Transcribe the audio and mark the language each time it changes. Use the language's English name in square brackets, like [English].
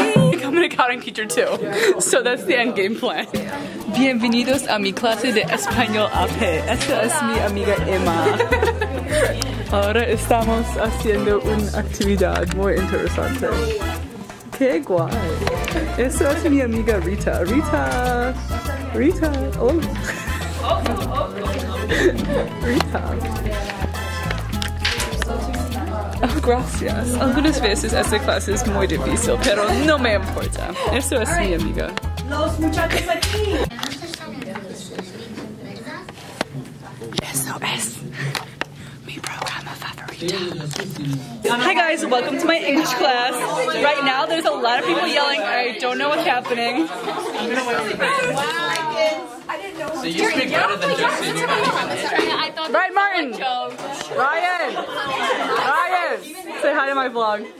[English] Become an accounting teacher too, so that's the end game plan. [Spanish] Bienvenidos a mi clase de español AP. Esta es mi amiga Emma. Ahora estamos haciendo una actividad muy interesante. ¡Qué guay! Esa es mi amiga Rita. ¡Rita! ¡Rita! ¡Oh! ¡Rita! Oh, gracias. Algunas veces esta clase es muy difícil, pero no me importa. Eso es mi amiga. ¡Los muchachos aquí! Eso es mi programa favorito. [English] Hi guys, welcome to my English class. Right now there's a lot of people yelling. I don't know what's happening. Wow. So you speak better than Josie. Right, Martin! Ryan! Say hi to my vlog.